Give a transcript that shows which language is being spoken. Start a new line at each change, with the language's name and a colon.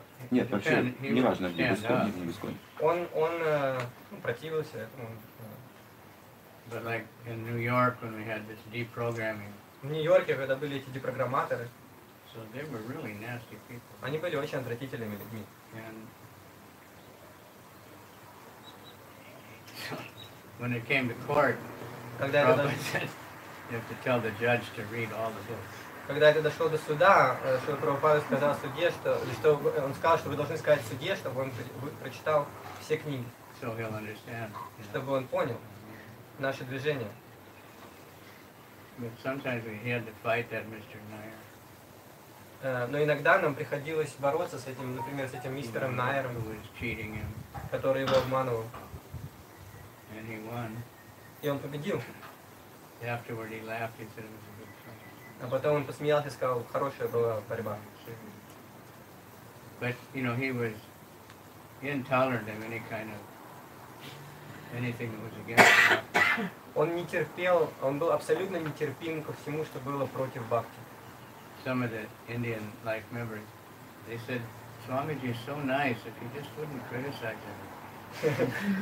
Russian: Нет, вообще, не важно, где Гасконь, где не Гасконь. Он противился этому.
English: But like in New York, when we had this deprogramming.
Russian: В Нью-Йорке, когда были эти депрограмматоры,
English: so they were really nasty people.
Russian: Они были очень отвратительными людьми.
English: When it came to court,
Russian: когда это дошло,
English: you have to tell the judge to read all the books.
Russian: Когда это дошло до суда, Шрила Прабхупада сказал судье, что, он сказал, что вы должны сказать судье, чтобы он прочитал все книги.
English: So he'll understand,
Russian: чтобы он понял наше движение.
English: But sometimes we had to fight that Mr. Nair.
Russian: Но иногда нам приходилось бороться с этим, например, с этим мистером Найером, который его обманывал.
English: And he won.
Russian: И он победил.
English: Afterward he laughed, he said it was a good fight.
Russian: А потом он посмеялся и сказал, хорошая была борьба.
English: But, you know, he was intolerant of any kind of anything that was against him.
Russian: Он не терпел, он был абсолютно нетерпим ко всему, что было против Бхакти.
English: Some of the Indian life members, they said, Swamiji is so nice, if you just wouldn't criticize him.